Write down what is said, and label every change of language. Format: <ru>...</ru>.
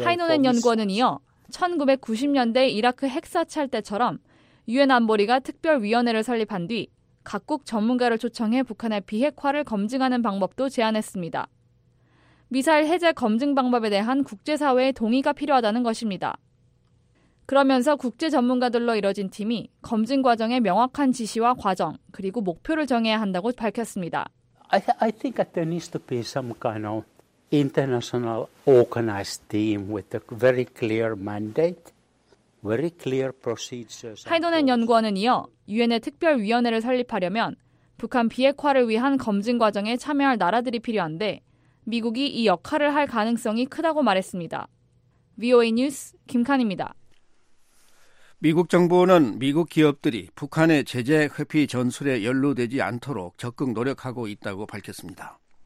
<ko>하이노넨 연구원은 이어 1990년대 이라크 핵사찰 때처럼 유엔 안보리가 특별위원회를 설립한 뒤 각국 전문가를 초청해 북한의 비핵화를 검증하는 방법도 제안했습니다. 미사일 해제 검증 방법에 대한 국제사회의 동의가 필요하다는 것입니다. 그러면서 국제 전문가들로 이뤄진 팀이 검증 과정의 명확한 지시와 과정 그리고 목표를 정해야 한다고 밝혔습니다.</ko> <en>I think that there needs to be some kind of international organized team with a very clear mandate, very clear procedures.</en> <ko>하이노넨 연구원은 이어 유엔의 특별위원회를 설립하려면 북한 비핵화를 위한 검증 과정에 참여할 나라들이 필요한데 미국이 이 역할을 할 가능성이 크다고 말했습니다. VOA 뉴스 김칸입니다. 미국 정부는 미국 기업들이 북한의 제재 회피 전술에 연루되지 않도록 적극 노력하고 있다고 밝혔습니다.</ko>